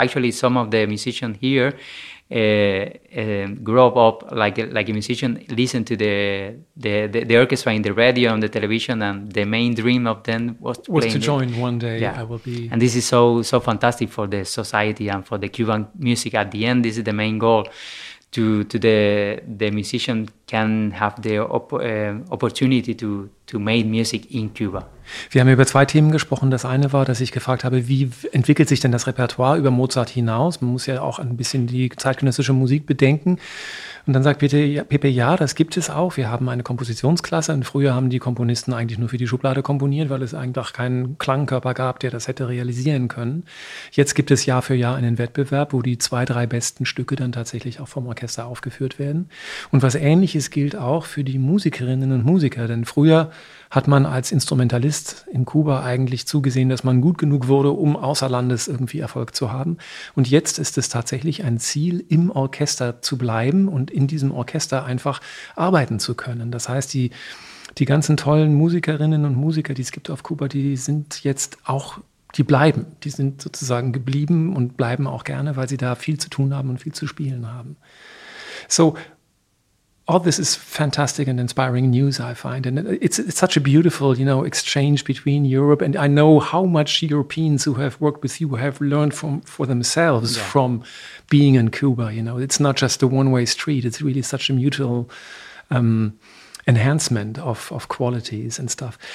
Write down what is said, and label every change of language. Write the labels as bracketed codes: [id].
[en] Actually, some of the musicians here grow up like a musician, listen to the orchestra in the radio and the television, and the main dream of them was to join one day. Yeah. I will be. And this is so fantastic for the society and for the Cuban music. At the end, this is the main goal. To the musician can have the opportunity to make music in Cuba. [de] Wir haben über zwei Themen gesprochen. Das eine war, dass ich gefragt habe, wie entwickelt sich denn das Repertoire über Mozart hinaus? Man muss ja auch ein bisschen die zeitgenössische Musik bedenken. Und dann sagt Pepe, ja, das gibt es auch. Wir haben eine Kompositionsklasse. Und früher haben die Komponisten eigentlich nur für die Schublade komponiert, weil es eigentlich keinen Klangkörper gab, der das hätte realisieren können. Jetzt gibt es Jahr für Jahr einen Wettbewerb, wo die zwei, drei besten Stücke dann tatsächlich auch vom Orchester aufgeführt werden. Und was Ähnliches gilt auch für die Musikerinnen und Musiker. Denn früher hat man als Instrumentalist in Kuba eigentlich zugesehen, dass man gut genug wurde, um außer Landes irgendwie Erfolg zu haben. Und jetzt ist es tatsächlich ein Ziel, im Orchester zu bleiben und in diesem Orchester einfach arbeiten zu können. Das heißt, die ganzen tollen Musikerinnen und Musiker, die es gibt auf Kuba, die sind jetzt auch, die bleiben. Die sind sozusagen geblieben und bleiben auch gerne, weil sie da viel zu tun haben und viel zu spielen haben. So, [en] all this is fantastic and inspiring news, I find. And it's such a beautiful, you know, exchange between Europe. And I know how much Europeans who have worked with you have learned for themselves yeah. from being in Cuba. You know, it's not just a one-way street. It's really such a mutual enhancement of qualities and stuff.